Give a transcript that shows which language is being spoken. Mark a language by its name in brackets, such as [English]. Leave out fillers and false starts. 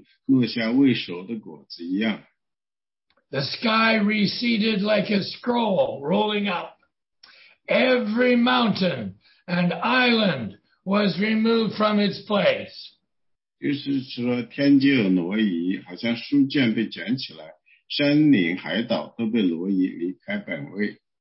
[Chinese] 第十三节说，天上的星辰坠落一地，如同无花果树被大风摇动，落下未熟的果子一样。 [English] The sky receded like a scroll rolling up. Every mountain and island was removed from its place. [Chinese] 就是说天就挪移，好像书卷被卷起来，山岭海岛都被挪移离开本位。